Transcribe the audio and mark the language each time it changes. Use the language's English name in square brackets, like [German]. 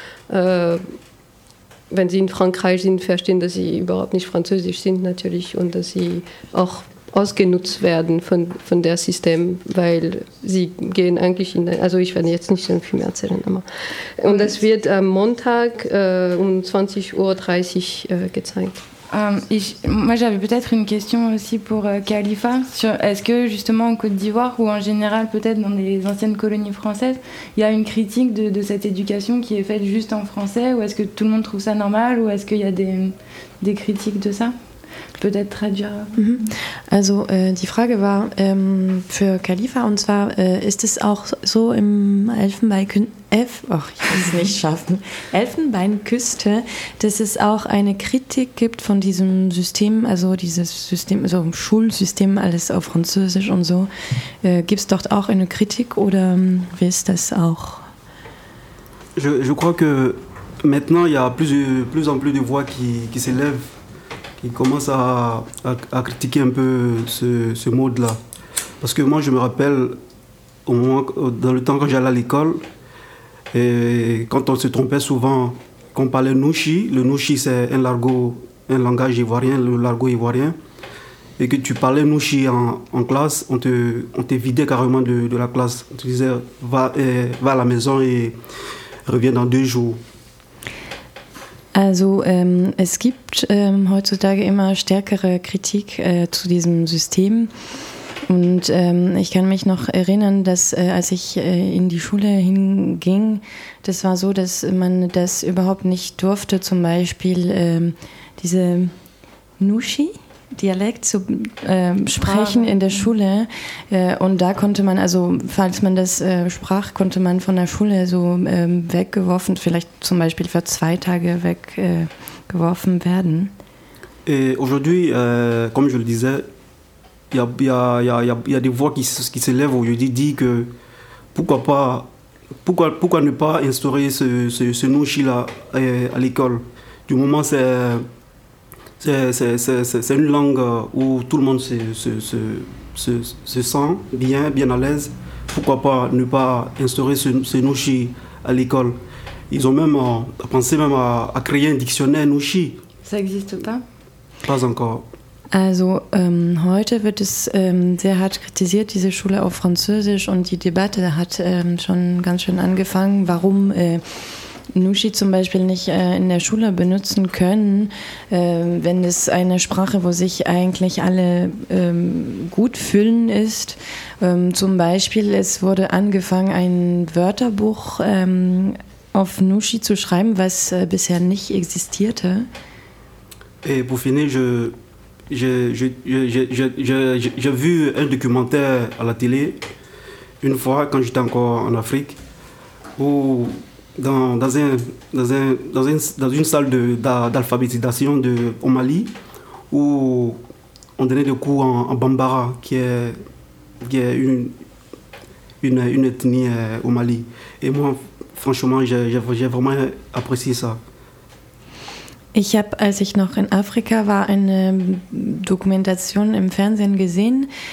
[German] wenn sie in Frankreich sind, verstehen, dass sie überhaupt nicht französisch sind natürlich, und dass sie auch ausgenutzt werden von der System, weil sie gehen eigentlich ich werde jetzt nicht so viel mehr erzählen, aber. Und das wird am Montag um 20.30 Uhr gezeigt. [French] Moi j'avais peut-être une question aussi pour Khalifa, sur est-ce que justement en Côte d'Ivoire ou en général peut-être dans les anciennes colonies françaises, il y a une critique de cette éducation qui est faite juste en français, ou est-ce que tout le monde trouve ça normal, ou est-ce qu'il y a des critiques de ça? Peut-être traduire. [German] Also die Frage war für Khalifa, und zwar ist es auch so im Elfenbeinküste, dass es auch eine Kritik gibt von diesem System, also dieses System, so im Schulsystem, alles auf Französisch und so. Gibt es dort auch eine Kritik, oder wie ist das auch? [French] Je crois que maintenant il y a plus en plus de voix qui s'élèvent. Il commence à critiquer un peu ce mode-là. Parce que moi, je me rappelle, dans le temps quand j'allais à l'école, et quand on se trompait souvent, qu'on parlait nouchi, le nouchi c'est un langage ivoirien, le argot ivoirien, et que tu parlais nouchi en classe, on te vidait carrément de la classe. On te disait, va à la maison et reviens dans 2 jours. [German] Also es gibt heutzutage immer stärkere Kritik zu diesem System, und ich kann mich noch erinnern, dass als ich in die Schule hinging, das war so, dass man das überhaupt nicht durfte, zum Beispiel diese Nushi-Dialekt zu sprechen in der Schule, und da konnte man, also falls man das sprach, konnte man von der Schule so weggeworfen, vielleicht zum Beispiel für 2 Tage weggeworfen werden. [French] Et aujourd'hui, comme je le disais, il y a des voix qui s'élèvent aujourd'hui, dit que pourquoi ne pas instaurer ce Nushi-là à l'école, du moment c'est une langue où tout le monde se sent bien, bien à l'aise. Pourquoi pas ne pas instaurer ce nushi à l'école? Ils ont même pensé même à créer un dictionnaire nushi. Ça n'existe pas? Pas encore. [German] Also heute wird es sehr hart kritisiert, diese Schule auf Französisch, und die Debatte hat schon ganz schön angefangen, warum Nushi zum Beispiel nicht in der Schule benutzen können, wenn es eine Sprache, wo sich eigentlich alle gut fühlen, ist. Zum Beispiel, es wurde angefangen, ein Wörterbuch auf Nushi zu schreiben, was bisher nicht existierte. [French] Et pour finir, j'ai vu un documentaire à la télé une fois quand j'étais encore en Afrique, où dans une salle d'alphabétisation au Mali, où on donnait des cours en Bambara, qui est une ethnie au Mali. Et moi, franchement, j'ai vraiment apprécié ça. [German] Ich habe, als ich noch in Afrika war, eine Dokumentation im Fernsehen gesehen.